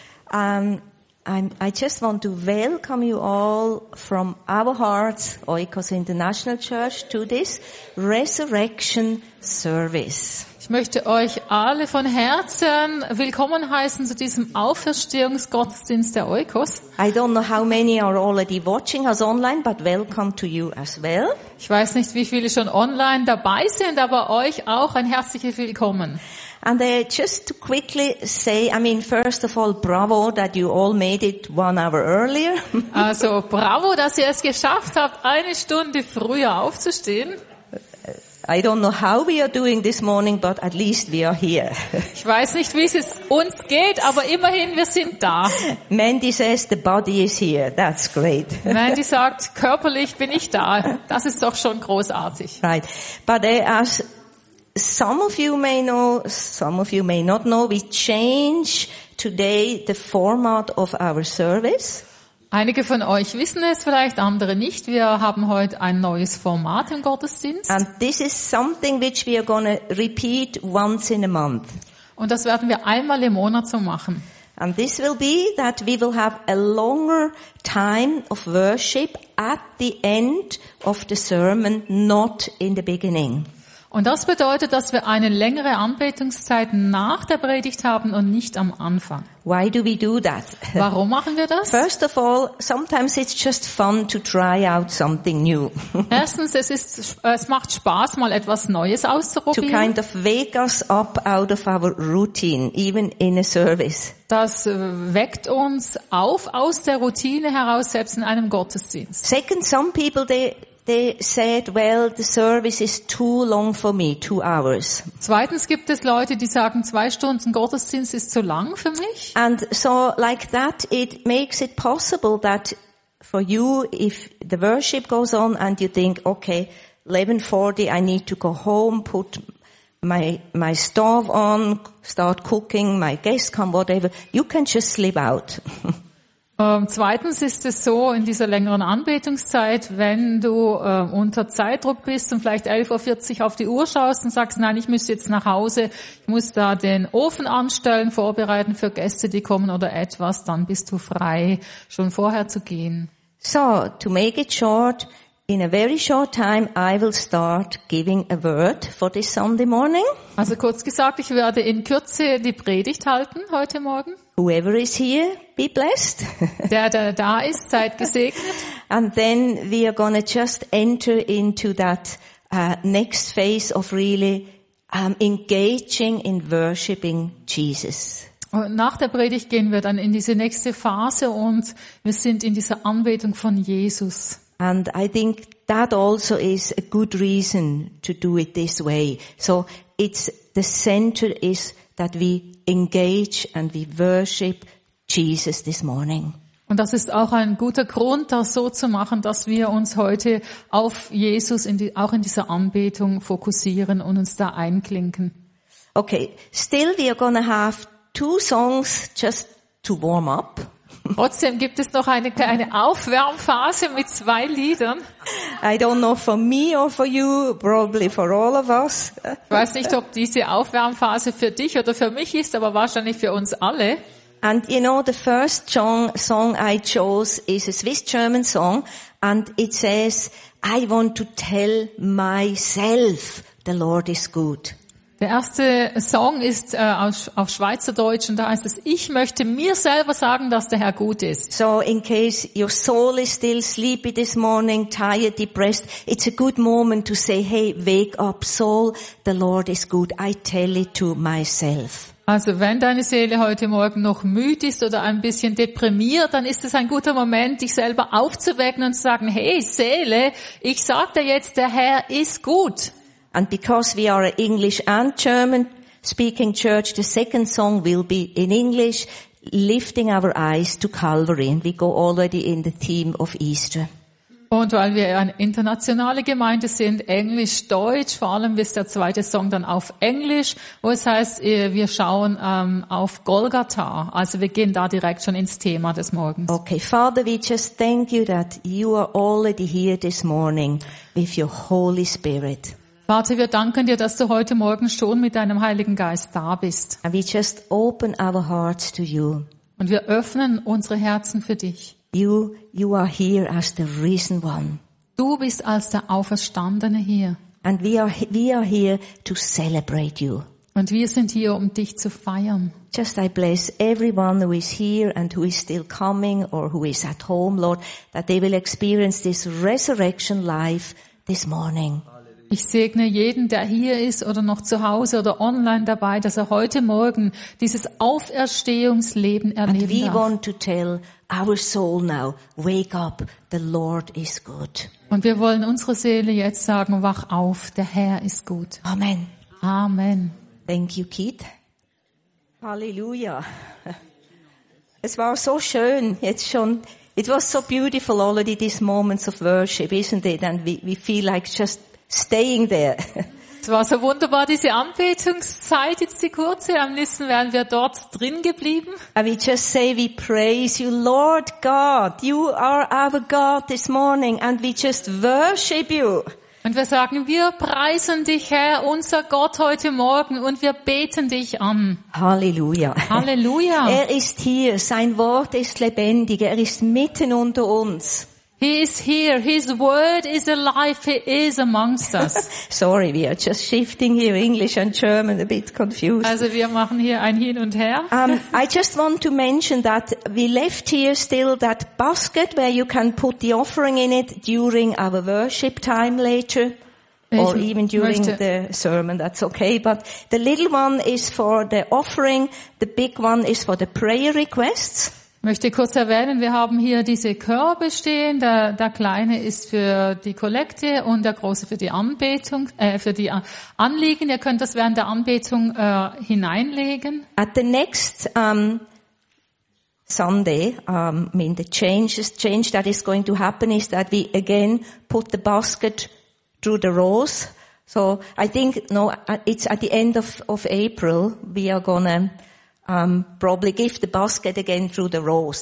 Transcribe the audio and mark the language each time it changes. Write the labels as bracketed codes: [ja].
[en] I just want to welcome you all from our hearts, Oikos International Church, to this Resurrection Service. [de] Ich möchte euch alle von Herzen willkommen heißen zu diesem Auferstehungsgottesdienst der Oikos. [en] I don't know how many are already watching us online, but welcome to you as well. [de] Ich weiß nicht, wie viele schon online dabei sind, aber euch auch ein herzliches Willkommen. [en] And just to quickly say, I mean, first of all, bravo that you all made it 1 hour earlier. [de] Also, bravo, dass ihr es geschafft habt, eine Stunde früher aufzustehen. [en] I don't know how we are doing this morning, but at least we are here. [de] Ich weiß nicht, wie es uns geht, aber immerhin, wir sind da. [en] Mandy says the body is here. That's great. [de] Mandy sagt, körperlich bin ich da. Das ist doch schon großartig. [en] Right. But as some of you may know, some of you may not know, we change today the format of our service. [de] Einige von euch wissen es vielleicht, andere nicht. Wir haben heute ein neues Format im Gottesdienst. [en] And this is something which we are going to repeat once in a month. [de] Und das werden wir einmal im Monat so machen. [en] And this will be that we will have a longer time of worship at the end of the sermon, not in the beginning. [de] Und das bedeutet, dass wir eine längere Anbetungszeit nach der Predigt haben und nicht am Anfang. [en] Why do we do that? [de] Warum machen wir das? [en] First of all, sometimes it's just fun to try out something new. [de] Erstens, es macht Spaß, mal etwas Neues auszuprobieren. [en] To kind of wake us up out of our routine, even in a service. [de] Das weckt uns auf aus der Routine heraus, selbst in einem Gottesdienst. [en] Second, some people they said, well, the service is too long for me, 2 hours. [de] Zweitens gibt es Leute, die sagen, 2 Stunden Gottesdienst ist zu lang für mich. [en] And so like that, it makes it possible that for you, if the worship goes on and you think, okay, 11:40, I need to go home, put my stove on, start cooking, my guests come, whatever, you can just slip out. [de] Zweitens ist es so, in dieser längeren Anbetungszeit, wenn du unter Zeitdruck bist und vielleicht 11.40 Uhr auf die Uhr schaust und sagst, nein, ich muss jetzt nach Hause, ich muss da den Ofen anstellen, vorbereiten für Gäste, die kommen oder etwas, dann bist du frei, schon vorher zu gehen. [en] So, to make it short, in a very short time I will start giving a word for this Sunday morning. [de] Also kurz gesagt, ich werde in Kürze die Predigt halten heute Morgen. [en] Whoever is here, be blessed. [de] Der da ist, seid gesegnet. [en] And then we are going to just enter into that next phase of really engaging in worshiping Jesus. [de] Und nach der Predigt gehen wir dann in diese nächste Phase und wir sind in dieser Anbetung von Jesus. [en] And I think that also is a good reason to do it this way. So it's the center is that we engage and we worship Jesus this morning. [de] Und das ist auch ein guter Grund, das so zu machen, dass wir uns heute auf Jesus auch in dieser Anbetung fokussieren und uns da einklinken. [en] Okay, still we are going to have 2 songs just to warm up. [de] Trotzdem gibt es noch eine kleine Aufwärmphase mit 2 Liedern. [en] I don't know for me or for you, probably for all of us. [de] Ich weiß nicht, ob diese Aufwärmphase für dich oder für mich ist, aber wahrscheinlich für uns alle. [en] And you know, the first song I chose is a Swiss-German song, and it says, I want to tell myself the Lord is good. [de] Der erste Song ist auf Schweizerdeutsch und da heißt es, ich möchte mir selber sagen, dass der Herr gut ist. [en] So in case your soul is still sleepy this morning, tired, depressed, it's a good moment to say, hey, wake up soul, the Lord is good, I tell it to myself. [de] Also wenn deine Seele heute Morgen noch müde ist oder ein bisschen deprimiert, dann ist es ein guter Moment, dich selber aufzuwecken und zu sagen, hey Seele, ich sag dir jetzt, der Herr ist gut. [en] And because we are an English and German speaking church, the second song will be in English, lifting our eyes to Calvary. And we go already in the theme of Easter. [de] Und weil wir eine internationale Gemeinde sind, Englisch, Deutsch, vor allem ist der zweite Song dann auf Englisch, wo es heißt, wir schauen auf Golgatha. Also wir gehen da direkt schon ins Thema des Morgens. [en] Okay, Father, we just thank you that you are already here this morning with your Holy Spirit. [de] Vater, wir danken dir, dass du heute Morgen schon mit deinem Heiligen Geist da bist. [en] And we just open our hearts to you. [de] Und wir öffnen unsere Herzen für dich. [en] You are here as the risen one. [de] Du bist als der Auferstandene hier. [en] And we are here to celebrate you. [de] Und wir sind hier, um dich zu feiern. [en] Just I bless everyone who is here and who is still coming or who is at home, Lord, that they will experience this resurrection life this morning. [de] Ich segne jeden, der hier ist oder noch zu Hause oder online dabei, dass er heute Morgen dieses Auferstehungsleben erleben darf. [en] And we want to tell our soul now, wake up, the Lord is good. [de] Und wir wollen unsere Seele jetzt sagen, wach auf, der Herr ist gut. Amen. Amen. [en] Thank you, [de] Keith. Halleluja. Es war so schön, jetzt schon. [en] It was so beautiful already, these moments of worship, isn't it? And we feel like just staying there. [de] Es war so wunderbar, diese Anbetungszeit, jetzt die kurze. Am liebsten wären wir dort drin geblieben. [en] And we just say we praise you, Lord God. You are our God this morning and we just worship you. [de] Und wir sagen, wir preisen dich, Herr, unser Gott, heute Morgen, und wir beten dich an. Halleluja. Halleluja. Er ist hier, sein Wort ist lebendig, er ist mitten unter uns. [en] He is here, his word is alive, he is amongst us. Sorry, we are just shifting here, English and German, a bit confused. [de] Also wir machen hier ein Hin und Her. [en] I just want to mention that we left here still that basket where you can put the offering in it during our worship time later. Or even during the sermon, that's okay. But the little one is for the offering, the big one is for the prayer requests. [de] Ich möchte kurz erwähnen, wir haben hier diese Körbe stehen, der kleine ist für die Kollekte und der große für die Anbetung, für die Anliegen. Ihr könnt das während der Anbetung hineinlegen. [en] At the next Sunday, the change that is going to happen is that we again put the basket through the rows. So I think, no, it's at the end of April we are gonna probably give the basket again through the rows.